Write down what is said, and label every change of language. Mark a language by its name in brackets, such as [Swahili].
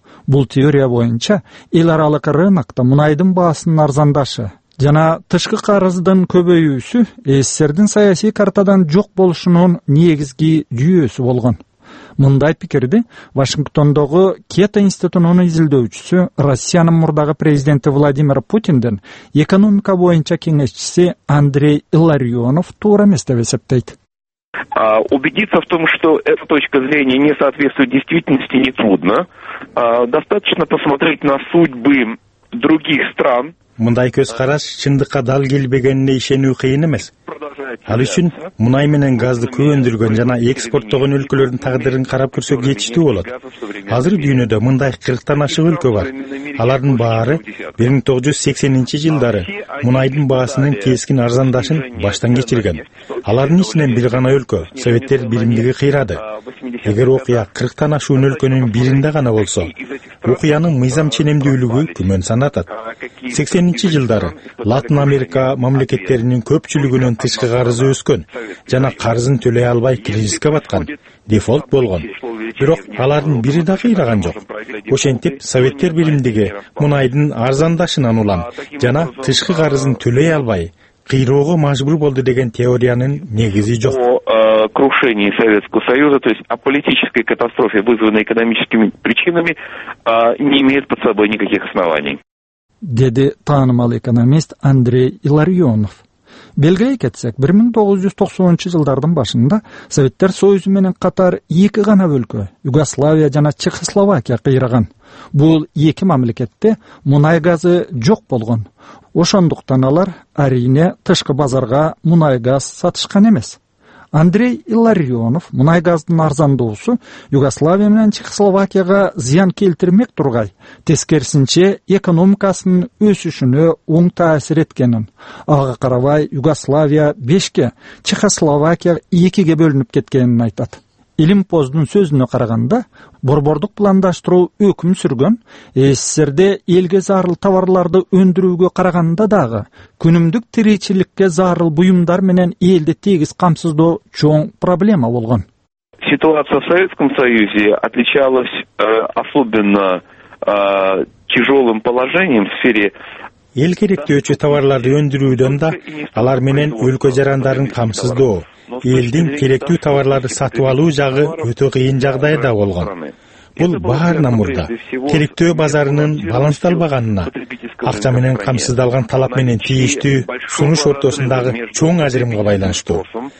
[Kyrgyz] Бул теория боюнча эл аралык рынокто мунайдын баасынын арзандашы жана тышкы карыздын көбөйүүсү СССРдин саясий картадан жок болушунун негизги жүйөсү болгон. Мындай пикирди Вашингтондогу Кето институтунун изилдөөчүсү, Россиянын мурдагы президенти Владимир Путиндин экономика боюнча кеңешчиси Андрей Илларионов туура эмес деп эсептейт. [Russian] Убедиться в том, что эта точка зрения не соответствует действительности, не трудно. Достаточно посмотреть на судьбы других стран. [Kyrgyz] Мындай көз караш чындыкка дал келбегенине ишенүү кыйын эмес. Ал үчүн мунай менен газды көөндүргөн жана экспорттогон өлкөлөрдүн тагдырын карап көрсөк жетиштүү болот. Азыр дүйнөдө мындай 40 ашык өлкө бар. Алардын баары 1980 жылдары мунайдын баасынын кескин арзандашын баштан кечирген. Алардын ичинен бир гана өлкө Советтер Биримдиги кыйрады. Эгер окуя 40 ашык өлкөнүн биринде гана болсо, окуянын мыйзам ченемдүүлүгү күмөн санатат. 80-жылдары Латын Америка мамлекеттеринин көпчүлүгүнөн тышкы карызы өскөн жана карызын төлөй албай кризиске баткан, дефолт болгон. Бирок алардын бири да кыйраган жок. Ошентип советтер билимдиги мунайдын арзандашынан улам жана тышкы карызын төлөй албай кыйроого мажбур болду деген теориянын негизи жок. [Russian] Крушении Советского Союза, то есть о политической катастрофе, вызванной экономическими причинами, не имеет под собой никаких оснований. [Kyrgyz] Деди таанымал экономист Андрей Иларионов. Белгилей кетсек, 1990-жылдардын башында Советтер Союзу менен катар эки гана өлкө, Югославия жана Чехословакия кыйраган. Бул эки мамлекетте мунай газы жок болгон. Ошондуктан алар арийне тышкы базарга мунай газ сатышкан эмес. Андрей Илларионов мунай газдын арзандоосу Югославия менен Чехословакияга зыян келтирмек тургай, тескерисинче экономикасынын өсүшүнө оң таасир эткенин, ага карабай Югославия 5-ке, Чехословакия 2-ге бөлүнүп кеткенин айтат. Илимпоздун сөзүнө караганда, борбордук пландаштыруу өкүм сүргөн, СССРде элге зарыл товарларды өндүрүүгө караганда дагы күнүмдүк тиричиликке зарыл буюмдар менен элди тегиз камсыздоо чоң проблема болгон. [Russian] Ситуация в Советском Союзе отличалась особенно тяжелым положением в сфере. [Kyrgyz] Эл керектөөчү товарларды өндүрүүдөн да алар менен өлкө жарандарын камсыздоо, элдин керектүү товарларды сатып алуу жагы өтө кыйын жагдайда болгон. Бул баарынан мурда керектөө базарынын балансталбаганына, акча менен камсыздалган талап менен тийиштүү сунуш ортосундагы чоң азиримге байланыштуу.